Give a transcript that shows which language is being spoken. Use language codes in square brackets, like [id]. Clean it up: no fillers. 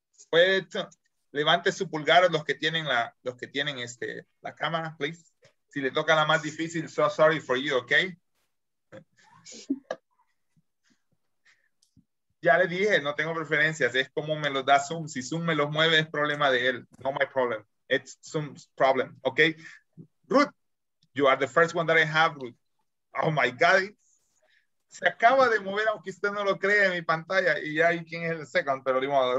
[es] Pues, levante su pulgar los que tienen la cámara, please. Si le toca la más difícil, [en] so sorry for you, okay? [es] Ya le dije, no tengo preferencias. Es como me los da Zoom. Si Zoom me los mueve, es problema de él. [en] No my problem. It's Zoom's problem, okay? Ruth, you are the first one that I have, Ruth. Oh my God. [es] Se acaba de mover, aunque usted no lo cree, en mi pantalla. Y ya hay quien es el second, pero de modo.